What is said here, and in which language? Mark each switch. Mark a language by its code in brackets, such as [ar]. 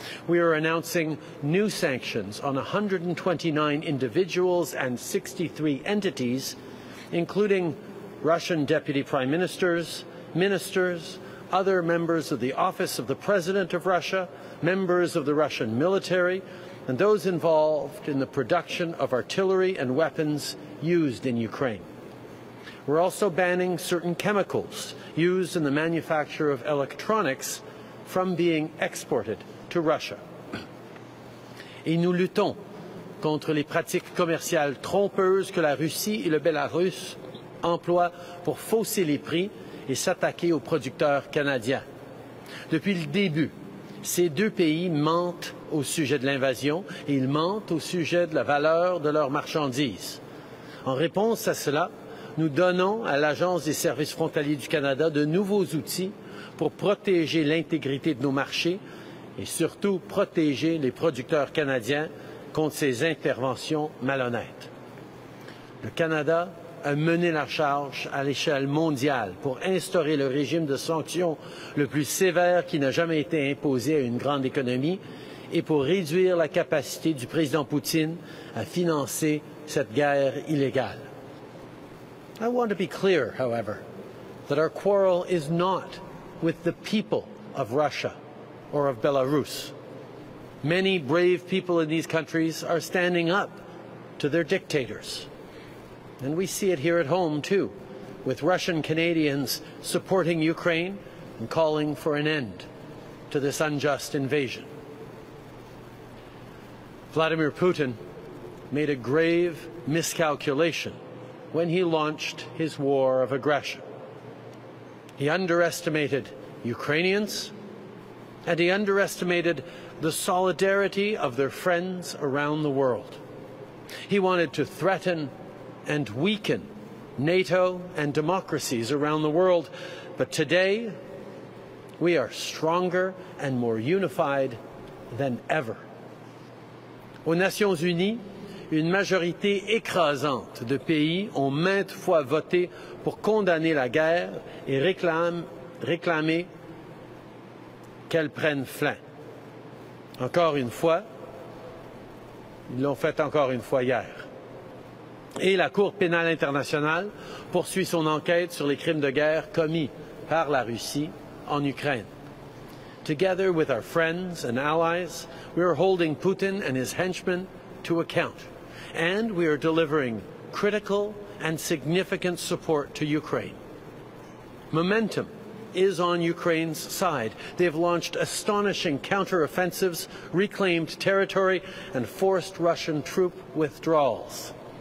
[en] We are announcing new sanctions on 129 individuals and 63 entities, including Russian deputy prime ministers, ministers, other members of the office of the president of Russia, members of the Russian military, and those involved in the production of artillery and weapons used in Ukraine. We're also banning certain chemicals used in the manufacture of electronics from being exported to Russia. [fr] Et nous luttons contre les pratiques commerciales trompeuses que la Russie et le Belarus emploient pour fausser les prix et s'attaquer aux producteurs canadiens. Depuis le début, ces deux pays mentent au sujet de l'invasion et ils mentent au sujet de la valeur de leurs marchandises. En réponse à cela, nous donnons à l'Agence des services frontaliers du Canada de nouveaux outils pour protéger l'intégrité de nos marchés et surtout protéger les producteurs canadiens contre ces interventions malhonnêtes. Le Canada a mené la charge à l'échelle mondiale pour instaurer le régime de sanctions le plus sévère qui n'a jamais été imposé à une grande économie et pour réduire la capacité du président Poutine à financer cette guerre illégale. [en] I want to be clear, however, that our quarrel is not with the people of Russia or of Belarus. Many brave people in these countries are standing up to their dictators. And we see it here at home, too, with Russian Canadians supporting Ukraine and calling for an end to this unjust invasion. Vladimir Putin made a grave miscalculation when he launched his war of aggression. He underestimated Ukrainians, and he underestimated the solidarity of their friends around the world. He wanted to threaten and weaken NATO and democracies around the world, but today we are stronger and more unified than ever. [fr] Aux Nations Unies, une majorité écrasante de pays ont maintes fois voté pour condamner la guerre et réclamer qu'elle prenne fin. Encore une fois, ils l'ont fait encore une fois hier. Et la Cour pénale internationale poursuit son enquête sur les crimes de guerre commis par la Russie en Ukraine. [en] Together with our friends and allies, we are holding Putin and his henchmen to account. And we are delivering critical and significant support to Ukraine. Momentum is on Ukraine's side. They've launched astonishing counter-offensives, reclaimed territory, and forced Russian troop withdrawals.